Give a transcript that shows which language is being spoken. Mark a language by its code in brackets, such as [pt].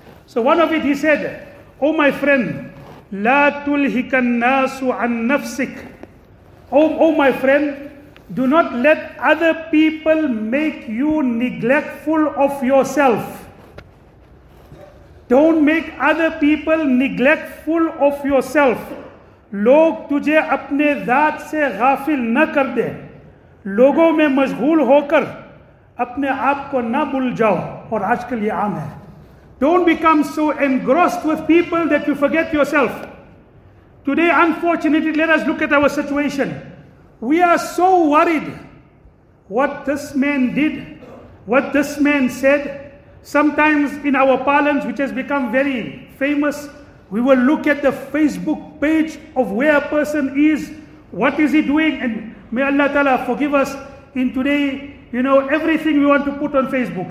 [en] So one of it, he said, oh my friend, [ar] لا تلهك الناس عن نفسك. [en] Oh my friend, do not let other people make you neglectful of yourself. Don't make other people neglectful of yourself. [ur] لوگ تجھے اپنے ذات سے غافل نہ کر دے. لوگوں میں مشغول ہو کر اپنے آپ کو نہ بھول جاؤ. اور آج کل یہ عام ہے. [en] Don't become so engrossed with people that you forget yourself. Today, unfortunately, let us look at our situation. We are so worried what this man did, what this man said. Sometimes in our parlance, which has become very famous, we will look at the Facebook page of where a person is, what is he doing, and may Allah Ta'ala forgive us in today, you know, everything we want to put on Facebook.